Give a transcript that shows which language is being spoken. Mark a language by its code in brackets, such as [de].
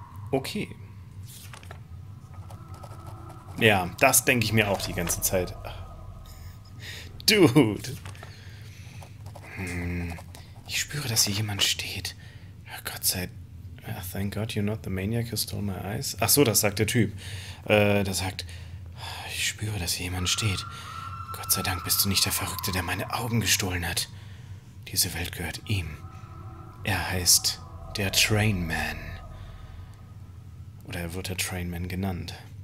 [de] Okay. Ja, das denke ich mir auch die ganze Zeit. Dude. Ich spüre, dass hier jemand steht. Gott sei Dank. [en] Thank God you're not the maniac who stole my eyes. [de] Ach so, das sagt der Typ. Der sagt, ich spüre, dass hier jemand steht. Gott sei Dank bist du nicht der Verrückte, der meine Augen gestohlen hat. Diese Welt gehört ihm. Er heißt der Train Man. Oder wird der Trainman genannt.